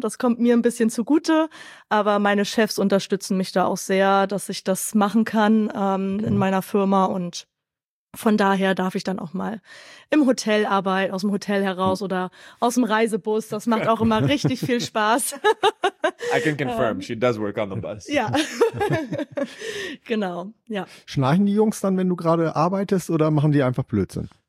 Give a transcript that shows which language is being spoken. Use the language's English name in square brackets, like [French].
[German] Das kommt mir ein bisschen zugute, aber meine Chefs unterstützen mich da auch sehr, dass ich das machen kann in meiner Firma. Und von daher darf ich dann auch mal im Hotel arbeiten, aus dem Hotel heraus oder aus dem Reisebus. Das macht auch immer richtig viel Spaß. [English] I can confirm, she does work on the bus. [German] Ja, genau, ja. Schnarchen die Jungs dann, wenn du gerade arbeitest, oder machen die einfach Blödsinn?